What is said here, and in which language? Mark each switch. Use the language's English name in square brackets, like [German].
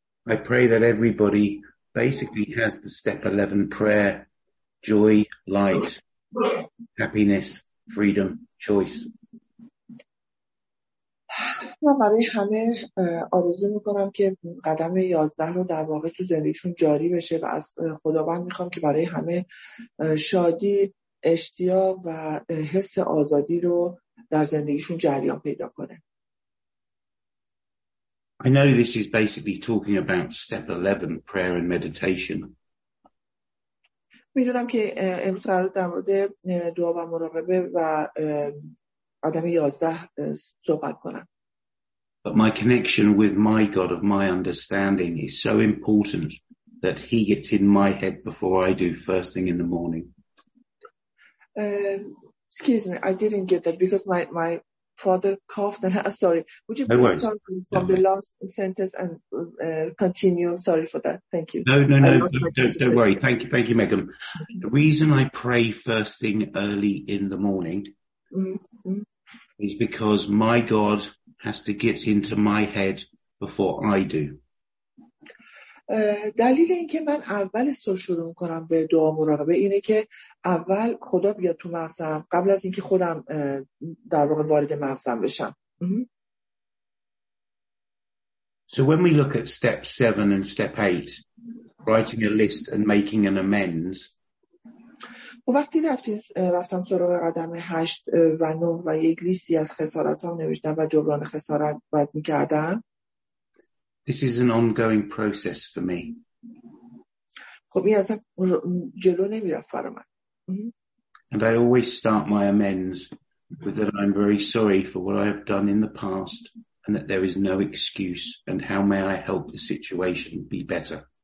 [English] I pray that everybody basically has the step 11 prayer, joy, light, happiness, freedom, choice. [Persian] من برای همه آرزو میکنم که قدم 11 رو در واقع تو زندگیشون جاری بشه و از خداوند میخوام که برای همه شادی، اشتیاق و حس آزادی رو در زندگیشون جریان پیدا کنه. [English] I know this is basically talking about step 11, prayer and meditation. [Persian] میدونم که امروز قرار در مورد دعا و مراقبه و آدم 11 صحبت کنم. [English] But my connection with my God of my understanding is so important that he gets in my head before I do first thing in the morning. Excuse me, I didn't get that because my father coughed and sorry. Would you no please worries. Start from no the last sentence and continue? Sorry for that. Thank you. No. Don't worry. Thank you, Megan. The reason I pray first thing early in the morning mm-hmm. is because my God has to get into my head before I do. [Persian] دلیل این که من اول صبح شروع میکنم به دعا مراقبه اینه که اول خدا بیاد تو مغزم قبل از اینکه خودم در واقع وارد مغزم بشم. [English] So when we look at step 7 and step 8, writing a list and making an amends. [Persian] وقتی رفتم سراغ قدم 8 و 9 و یک لیستی از خسارات ها نوشتم و جبران خسارت باید میکردم. [English] This is an ongoing process for me. [Persian] خب این اصلا جلو نمیرفت برای من. [English] And I always start my amends with that I'm very sorry for what I have done in the past and that there is no excuse and how may I help the situation be better.